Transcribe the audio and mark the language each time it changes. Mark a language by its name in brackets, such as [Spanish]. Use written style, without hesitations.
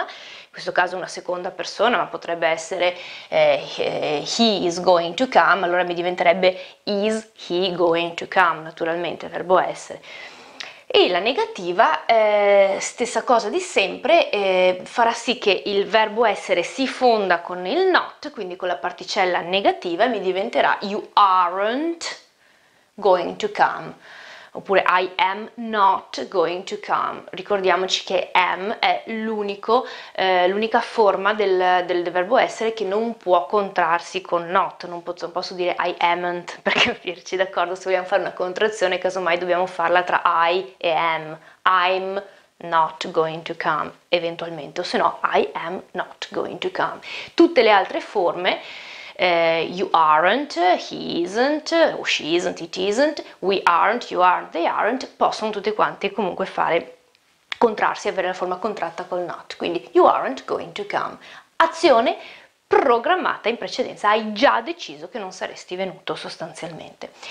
[Italian] In questo caso una seconda persona, ma potrebbe essere [English] he is going to come, [Italian] allora mi diventerebbe [English] is he going to come, [Italian] naturalmente, verbo essere. E la negativa, stessa cosa di sempre, farà sì che il verbo essere si fonda con il not, quindi con la particella negativa, e mi diventerà [English] you aren't going to come. oppure I am not going to come. [Italian] Ricordiamoci che am è l'unica forma del verbo essere che non può contrarsi con not. Non posso dire [English] I am't, [Italian] per capirci, d'accordo? Se vogliamo fare una contrazione, casomai dobbiamo farla tra I e am. [English] I'm not going to come, [Italian] eventualmente, o se no, [English] I am not going to come. [Italian] Tutte le altre forme, [English] you aren't, he isn't, o she isn't, it isn't, we aren't, you aren't, they aren't, [Italian] possono tutte quante comunque fare contrarsi, avere la forma contratta col not. [English] Quindi, you aren't going to come. [Italian] Azione programmata in precedenza, hai già deciso che non saresti venuto, sostanzialmente.